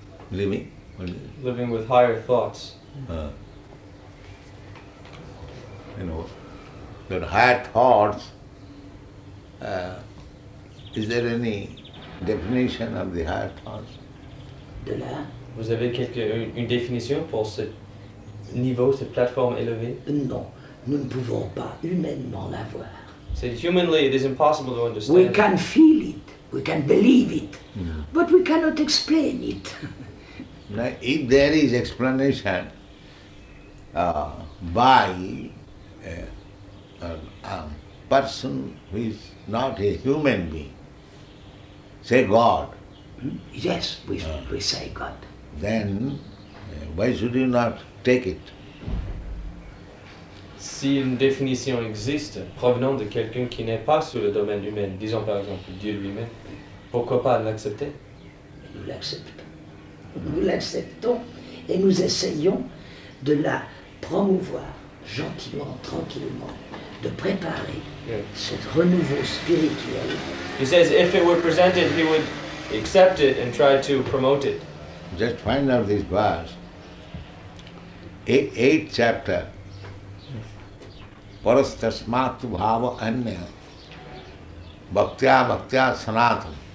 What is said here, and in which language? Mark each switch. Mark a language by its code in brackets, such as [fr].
[en] Living? Living with higher thoughts. You know, your higher thoughts, is there any definition of the higher thoughts? [fr] De là? Vous avez une définition pour ce niveau, cette plateforme élevée? Non, nous ne pouvons pas humainement l'avoir. [en] So humanly, it is impossible to understand. We can feel it, we can believe it, but we cannot explain it. Now, if there is explanation by a person who is not a human being, say God. Yes, we say God. Then why should you not take it? [fr] Si une définition existe provenant de quelqu'un qui n'est pas sur le domaine humain, disons par exemple Dieu lui-même, pourquoi pas l'accepter? Nous l'acceptons. Nous l'acceptons et nous essayons de la promouvoir gentiment, tranquillement, de préparer ce renouveau spirituel. [en] He says if it were presented, he would accept it and try to promote it. Just find out this verse. Eighth chapter. [sa] Parastasmat bhava anya bhaktya bhaktya sanatam.